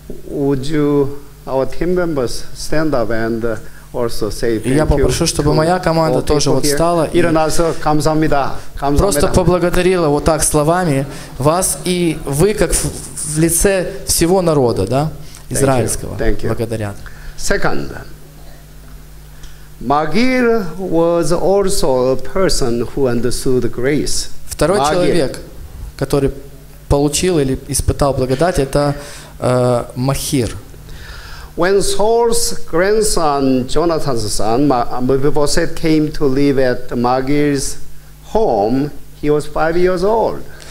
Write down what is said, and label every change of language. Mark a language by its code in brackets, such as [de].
[en] Would you, our team members, stand up and also say thank [ru] Я попрошу, чтобы моя команда тоже вот встала и просто поблагодарила вот так словами вас и вы как в лице всего народа, да, израильского. [en] Thank you. [ru] Благодарят. [en] Second, Magir was also a person who understood grace. [ru] Второй человек, который получил или испытал благодать, это Махир. [en] When Saul's grandson, Jonathan's son, Mephibosheth, came to live at Magir's home, he was 5 years old.